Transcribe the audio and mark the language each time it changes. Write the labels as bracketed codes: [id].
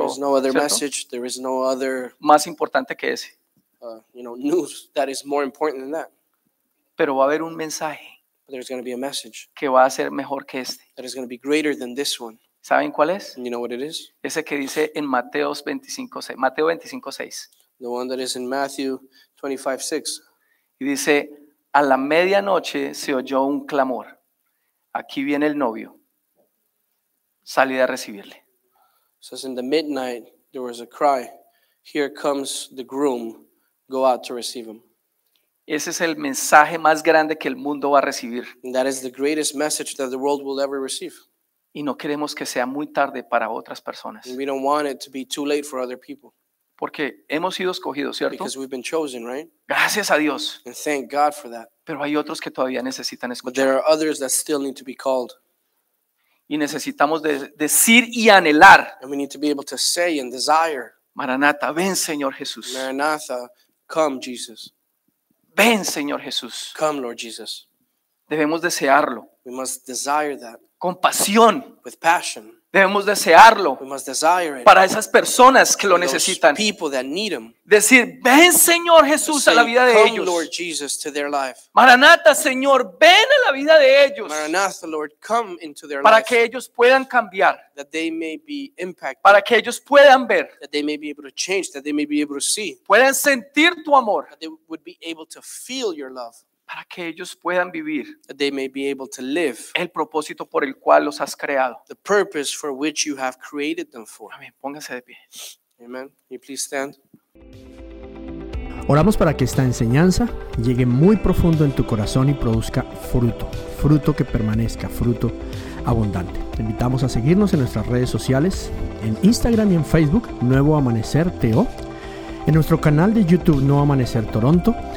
[en] There is no other message. There is no other. [es] Más importante que ese. [en] News that is more important than that. [es] Pero va a haber un mensaje. [en] There's going to be a message. [es] Que va a ser mejor que este. [en] That is going to be greater than this one. [es] ¿Saben cuál es? [en] You know what it is? [es] Ese que dice en Mateo 25:6. [en] The one that is in Matthew 25:6. [es] Y dice, a la medianoche se oyó un clamor. Aquí viene el novio. Salí a recibirle. [en] It says in the midnight there was a cry. Here comes the groom. Go out to receive him. [es] Ese es el mensaje más grande que el mundo va a recibir. [en] And that is the greatest message that the world will ever receive. [es] Y no queremos que sea muy tarde para otras personas. [en] And we don't want it to be too late for other people. [es] Porque hemos sido escogidos, ¿cierto? [en] Because we've been chosen, right? [es] Gracias a Dios. [en] And thank God for that. [es] Pero hay otros que todavía necesitan escuchar. [en] But there are others that still need to be called. [es] Y necesitamos de decir y anhelar. [en] And we need to be able to say and desire. [es] Maranatha, ven Señor Jesús. [en] Maranatha, come Jesus. [es] Ven Señor Jesús. [en] Come Lord Jesus. [es] Debemos desearlo. [en] We must desire that. [es] Con pasión. [en] With passion. [es] Debemos desearlo. [en] We must desire it. [es] Para esas personas que lo necesitan. [en] People that need him. [es] Decir, ven Señor Jesús a la vida de ellos. [en] Come Lord Jesus to their life. [es] Maranatha, Señor, ven a la vida de ellos. [en] Maranatha, Lord, come into their life. [es] Para que ellos puedan cambiar. [en] That they may be impacted. [es] Para que ellos puedan ver. [en] That they may be able to change, that they may be able to see. [es] Puedan sentir tu amor. [en] That they would be able to feel your love. [es] Para que ellos puedan vivir, [en] that they may be able to live, [es] el propósito por el cual los has creado, [en] the purpose for which you have created them for. [es] Amén. Póngase de pie. [en] Amen. You please stand. [es] Oramos para que esta enseñanza llegue muy profundo en tu corazón y produzca fruto, fruto que permanezca, fruto abundante. Te invitamos a seguirnos en nuestras redes sociales, en Instagram y en Facebook, Nuevo Amanecer TO, en nuestro canal de YouTube, Nuevo Amanecer Toronto.